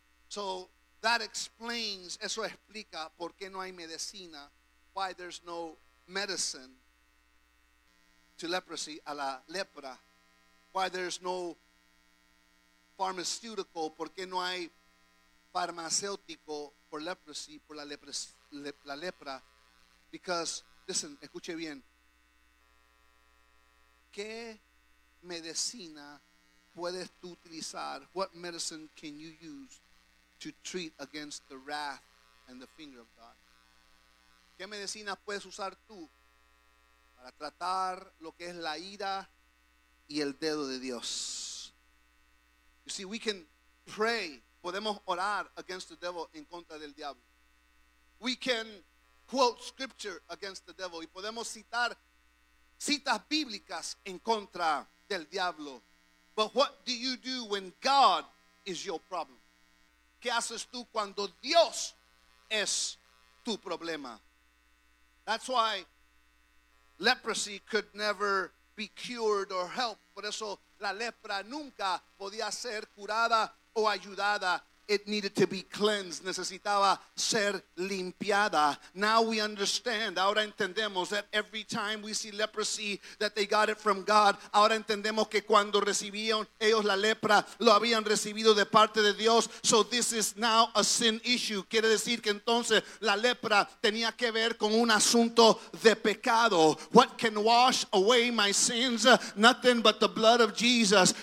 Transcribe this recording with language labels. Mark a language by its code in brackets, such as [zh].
[en] So that explains, [es] eso explica por qué no hay medicina, [en] why there's no medicine to leprosy, [es] a la lepra, [en] why there's no pharmaceutical, [es] por qué no hay farmacéutico por leprosy, por la lepra, [en] because, listen, [es] escuche bien, ¿qué medicina puedes tú utilizar? [en] What medicine can you use to treat against the wrath and the finger of God? [es] ¿Qué medicina puedes usar tú para tratar lo que es la ira y el dedo de Dios? [en] You see, we can pray, [es] podemos orar [en] against the devil, [es] en contra del diablo. [en] We can quote scripture against the devil, [es] y podemos citar citas bíblicas en contra del diablo. [en] But what do you do when God is your problem? [es] ¿Qué haces tú cuando Dios es tu problema? [en] That's why leprosy could never be cured or helped. [es] Por eso la lepra nunca podía ser curada o ayudada. [en] It needed to be cleansed. [es] Necesitaba ser limpiada. [en] Now we understand. [es] Ahora entendemos [en] that every time we see leprosy, that they got it from God. [es] Ahora entendemos que cuando recibían ellos la lepra, lo habían recibido de parte de Dios. [en] So this is now a sin issue. [es] Quiere decir que entonces la lepra tenía que ver con un asunto de pecado. [en] What can wash away my sins? Nothing but the blood of Jesus.